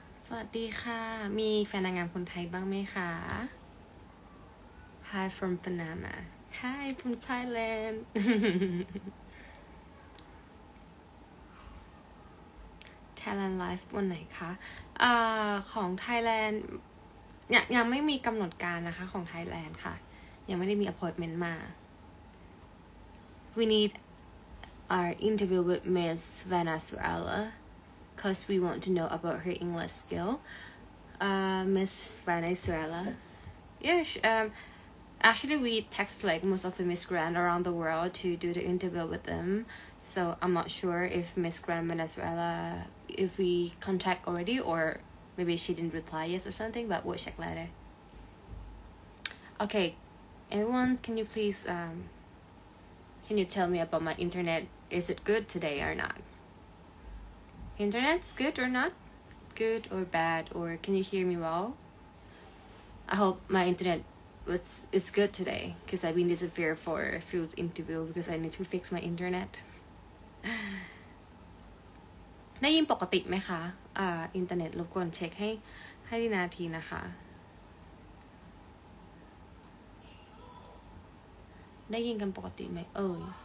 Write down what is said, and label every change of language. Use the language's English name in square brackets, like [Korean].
[Thai] สวัสดีค่ะมีแฟนนางงามคนไทยบ้างไหมคะ [English] Hi from Panama Hi from Thailand [Thai] Thailand live วันไหนคะของ Thailand ยังไม่มีกำหนดการนะคะของ Thailand ค่ะยังไม่ได้มี appointment มา [English] We need our interview with Miss Venezuela. Because we want to know about her English skill, Miss Venezuela. Yes. Actually, we text like most of the Miss Grand around the world to do the interview with them. So I'm not sure if Miss Grand Venezuela, if we contact already or maybe she didn't reply yes or something. But we'll check later. Okay, everyone, can you please can you tell me about my internet? Is it good today or not? Internet's good or not? Good or bad? Or can you hear me well? I hope my internet is good today because I've been disappeared for a few interview because I need to fix my internet. [Thai] ได้ยินปกติไหมคะอินเทอร์เน็ตรบกวนเช็คให้ดีนาทีนะคะได้ยินกันปกติไหมเอ่ย